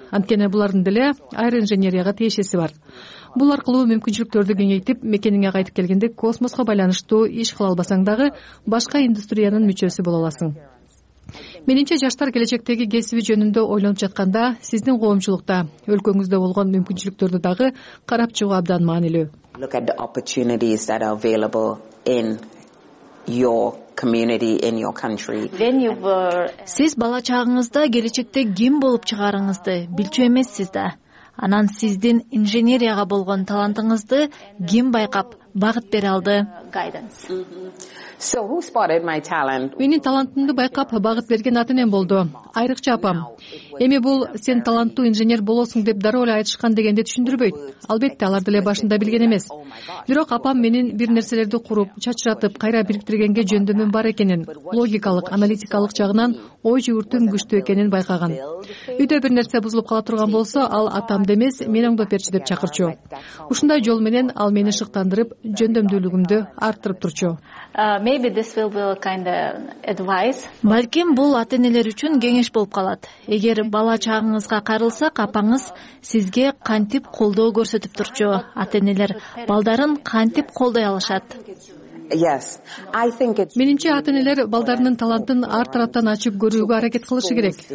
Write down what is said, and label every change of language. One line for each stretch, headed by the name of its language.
Kyrgyz: Анткени булардын деле аэроинженерияга тиешеси бар. Бул аркылуу мүмкүнчүлүктөрдү кеңейтип, мекениңе кайтып келгенде космоско байланыштуу иш кыла албасаң дагы башка индустриянын мүчөсү боло аласың. Менинче жаштар келечектеги кесиби жөнүндө ойлонуп жатканда, сиздин коомчулукта, өлкөңүздө болгон мүмкүнчүлүктөрдү дагы карап чыгуу абдан маанилүү.
English: Look at the opportunities that are available in your community, in your country.
Kyrgyz: Сиз бала чагыңызда келечекте ким болуп чыгарыңызды билчү эмессиз да? Анан сиздин инженерияга болгон талантыңызды ким байкап, багыт бере алды?
English: So who spotted my talent?
Kyrgyz: Менин талантымды байкап, багыт берген атенем болду. Айрыкча апам. Эми бул сен таланттуу инженер болосуң деп дароо эле айтышкан дегенди түшүндүрбөйт. Албетте, алар деле башында билген эмес. Бирок апам менин бир нерселерди куруп, чачыратып, кайра бириктиргенге жөндөмүм бар экенин, логикалык, аналитикалык жагынан ой жүгүртүүм күчтүү экенин байкаган. Үйдө бир нерсе бузулуп кала турган болсо, ал атамды эмес, мени оңдоп берчи деп чакырчу. Ушундай жол менен ал мени шыктандырып, жөндөмдүүлүгүмдү арттырып турчу.
English: Maybe this will be a kind of advice.
Kyrgyz: Балким бул ата-энелер үчүн кеңеш болуп калат. Эгер бала чагыңызга карылсак, апаңыз сизге кантип колдоо көрсөтүп турчу? Ата-энелер балдарын кантип колдой алышат?
English: Yes. I think it's
Kyrgyz: Менимче ата-энелер балдарынын талантын ар тараптан ачып көрүүгө аракет кылышы керек.